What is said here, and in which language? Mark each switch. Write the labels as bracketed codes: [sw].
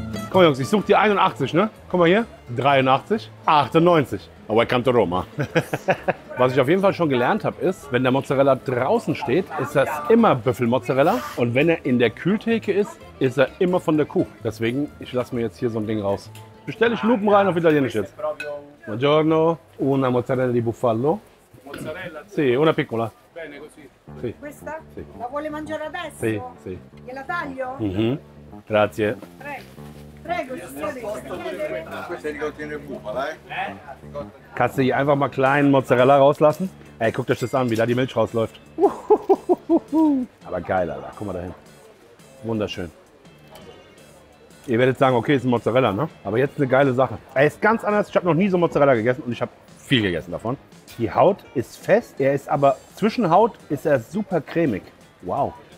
[de] Komm Jungs, ich suche die 81, ne? Guck mal hier, 83, 98. [en] Welcome to Roma. [de] Was ich auf jeden Fall schon gelernt habe, ist, wenn der Mozzarella draußen steht, ist das immer Büffelmozzarella. Und wenn er in der Kühltheke ist, ist er immer von der Kuh. Deswegen, ich lasse mir jetzt hier so ein Ding raus. Bestelle ich Lupen rein auf Italienisch jetzt. [it] Buongiorno, una mozzarella di bufalo. Mozzarella? Sì, una piccola. Bene, così. Sì. Questa? Sì. La vuole mangiare adesso? Sì, sì. Gliela taglio? Mm-hmm. Grazie. Prego. Prego, signore. Questa ricordine bufala, eh? [de] Kannst du hier einfach mal kleinen Mozzarella rauslassen? Ey, guckt euch das an, wie da die Milch rausläuft. Aber geil, Alter. Guck mal dahin. Wunderschön. Ihr werdet sagen, okay, ist ein Mozzarella, ne? Aber jetzt eine geile Sache. Er ist ganz anders. Ich habe noch nie so Mozzarella gegessen und ich habe viel gegessen davon. Die Haut ist fest, er ist aber zwischen Haut ist er super cremig. Wow.